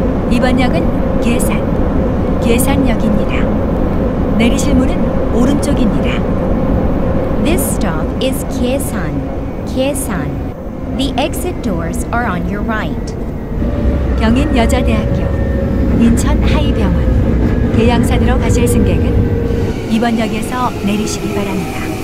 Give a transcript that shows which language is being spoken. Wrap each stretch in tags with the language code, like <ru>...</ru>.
<ko>이번역은 계산, 계산역입니다. 내리실 문은 오른쪽입니다.</ko> <en>This stop is 계산, 계산. The exit doors are on your right.</en> <ko>경인여자대학교, 인천하이병원, 계양산으로 가실 승객은 이번역에서 내리시기 바랍니다.</ko>